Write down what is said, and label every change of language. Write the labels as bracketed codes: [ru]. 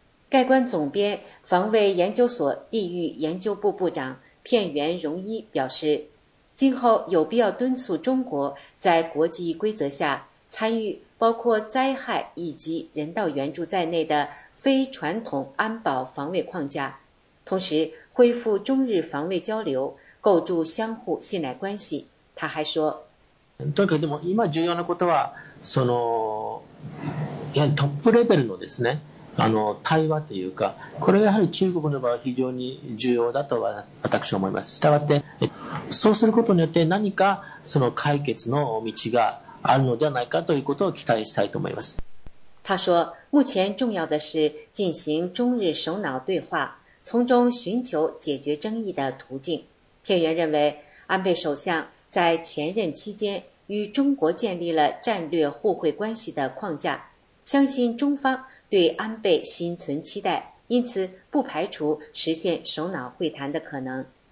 [zh] 概观总编、防卫研究所地域研究部部长片原荣一表示，今后有必要敦促中国在国际规则下参与包括灾害以及人道援助在内的非传统安保防卫框架，同时恢复中日防卫交流，构筑相互信赖关系。他还说， [ja] とにかくでも今重要なことは、そのやはりトップレベルのですね、あの対話というか、これがやはり中国の場合は非常に重要だとは私は思います。したがって、そうすることによって何かその解決の道があるのではないかということを期待したいと思います。 [zh] 他说，目前重要的是进行中日首脑对话，从中寻求解决争议的途径。片源认为，安倍首相在前任期间与中国建立了战略互惠关系的框架，相信中方对安倍心存期待，因此不排除实现首脑会谈的可能。